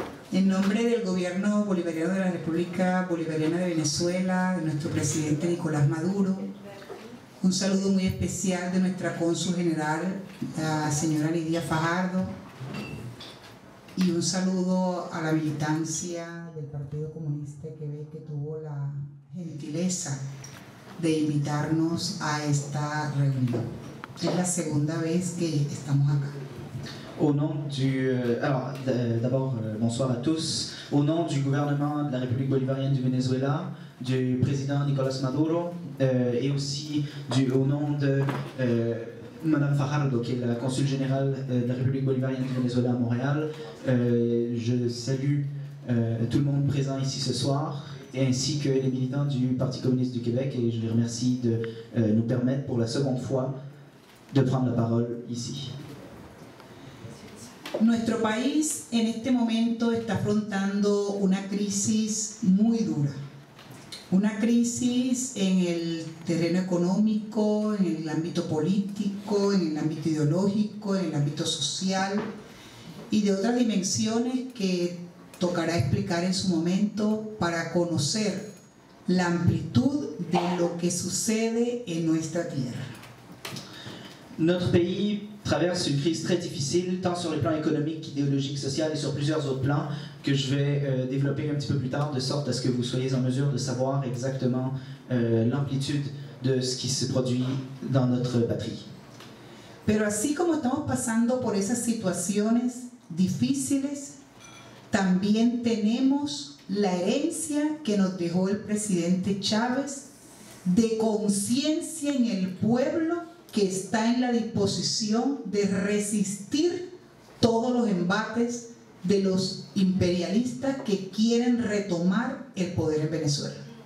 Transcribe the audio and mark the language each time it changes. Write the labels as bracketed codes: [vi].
[es] En nombre del gobierno bolivariano de la República Bolivariana de Venezuela, de nuestro presidente Nicolás Maduro, un saludo muy especial de nuestra cónsul general, la señora Lidia Fajardo, y un saludo a la militancia del Partido Comunista de Quebec, que tuvo la gentileza de invitarnos a esta reunión. Es la segunda vez que estamos acá. [fr] Au nom du... Alors, d'abord, bonsoir à tous. Au nom du gouvernement de la République bolivarienne du Venezuela, du président Nicolas Maduro, et aussi au nom de Madame Fajardo, qui est la consul générale de la République bolivarienne du Venezuela à Montréal, je salue tout le monde présent ici ce soir, ainsi que les militants du Parti communiste du Québec, et je les remercie de nous permettre pour la seconde fois de prendre la parole ici. [es] Nuestro país en este momento está afrontando una crisis muy dura. Una crisis en el terreno económico, en el ámbito político, en el ámbito ideológico, en el ámbito social y de otras dimensiones que tocará explicar en su momento para conocer la amplitud de lo que sucede en nuestra tierra. [fr] Notre pays traverse une crise très difficile, tant sur les plans économiques, idéologiques, sociaux et sur plusieurs autres plans, que je vais développer un petit peu plus tard, de sorte à ce que vous soyez en mesure de savoir exactement l'amplitude de ce qui se produit dans notre patrie. [es] Pero así como estamos pasando por esas situaciones difíciles, también tenemos la herencia que nos dejó el presidente Chávez de conciencia en el pueblo que está en la disposición de resistir todos los embates de los imperialistas que quieren retomar el poder en Venezuela.